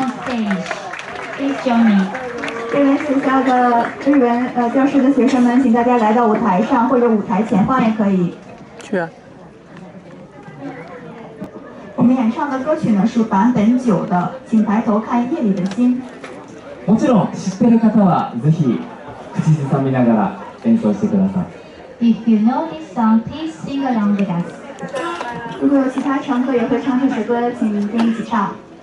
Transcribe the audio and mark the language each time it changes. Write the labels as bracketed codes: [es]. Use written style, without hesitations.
[zh] 日文学校的日文教室的学生们，请大家来到舞台上或者舞台前方也可以。去啊。我们演唱的歌曲呢是坂本九的《请抬头看夜里的星》。 [ja] もちろん知ってる方はぜひ口ずさみながら演奏してください。 [en] If you know this song, please sing along with us. [zh] 如果有其他乘客也会唱这首歌，请您跟一起唱。